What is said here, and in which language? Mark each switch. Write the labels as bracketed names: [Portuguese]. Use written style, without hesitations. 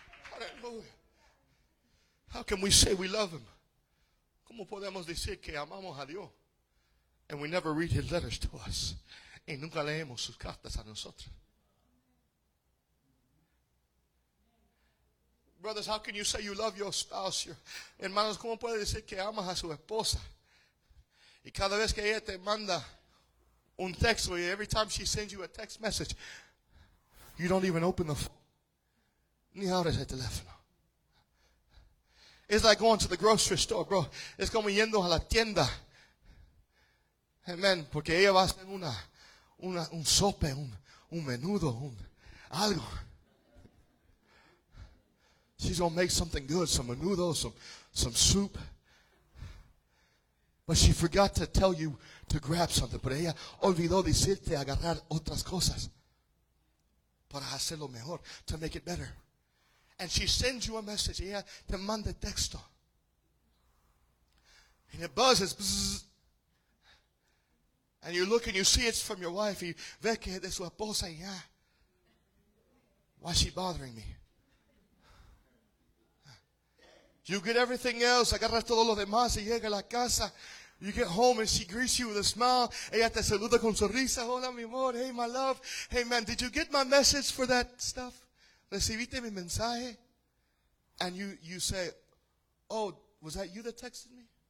[English] Hallelujah. Hallelujah. How can we say we love him? [Spanish] ¿Cómo podemos decir que amamos a Dios? [English] And we never read his letters to us. [Spanish] Y nunca leemos sus cartas a nosotros. [English] Brothers, how can you say you love your spouse? [Spanish] Hermanos, ¿cómo puedes decir que amas a su esposa? Y cada vez que ella te manda un texto, [English] every time she sends you a text message, you don't even open the phone. [Spanish] Ni abres el teléfono. [English] It's like going to the grocery store, bro. [Spanish] Es como yendo a la tienda. Amen. Porque ella va a hacer un sope, un menudo, un algo. [English] She's going to make something good, some menudo, some soup. But she forgot to tell you to grab something. [Spanish] Pero ella olvidó decirte agarrar otras cosas para hacerlo mejor, [English] to make it better. And she sends you a message. [Spanish] Ella te manda texto. [English] And it buzzes. Bzzz. And you look and you see it's from your wife. [Spanish] Y ve que es de su esposa. [English] Yeah. Why is she bothering me? You get everything else. [Spanish] Agarras todo lo demás y llega a la casa. [English] You get home and she greets you with a smile. [Spanish] Ella te saluda con sonrisa. Hola, mi amor. [English] Hey, my love. Hey, man, did you get my message for that stuff? [Spanish] ¿Recibiste mi mensaje? [English] And you say, oh, was that you that texted me?